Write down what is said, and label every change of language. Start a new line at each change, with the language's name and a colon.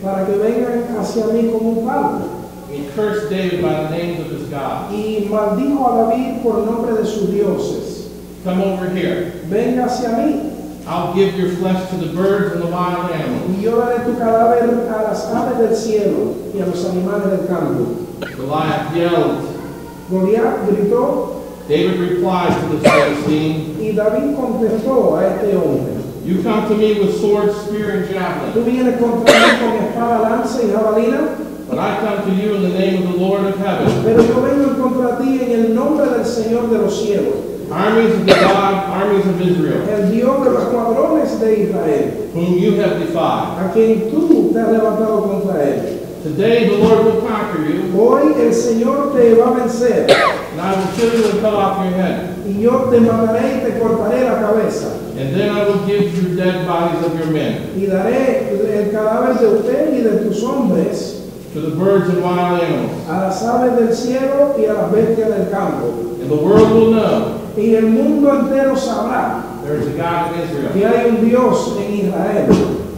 Spanish: Para que venga hacia mí con un palo.
English: He cursed David by the names of his gods.
Spanish: Y maldijo a David por nombre de sus dioses.
English: Come over here.
Spanish: Ven hacia mí.
English: I'll give your flesh to the birds and the wild animals.
Spanish: Yo daré tu cadáver a las aves del cielo y a los animales del campo.
English: Goliath yelled.
Spanish: Goliath gritó.
English: David replied to the Philistine.
Spanish: Y David contestó a este hombre.
English: You come to me with sword, spear, and javelin.
Spanish: Tú vienes contra mí con espada, lanza y jabalina.
English: But I come to you in the name of the Lord of heaven.
Spanish: Pero yo vengo contra ti en el nombre del Señor de los cielos.
English: Armies of the God, armies of Israel.
Spanish: El Dios de los cuadrones de Israel.
English: Whom you have defied.
Spanish: A quien tú te has levantado contra él.
English: Today the Lord will conquer you.
Spanish: Hoy el Señor te va a vencer.
English: And I will kill you and cut off your head.
Spanish: Y yo te mataré y te cortaré la cabeza.
English: And then I will give you dead bodies of your men.
Spanish: Y daré el cadáver de usted y de tus hombres.
English: To the birds and wild animals.
Spanish: A las aves del cielo y a las bestias del campo.
English: And the world will know.
Spanish: Y el mundo entero sabrá.
English: There is a God in Israel.
Spanish: Que hay un Dios en Israel.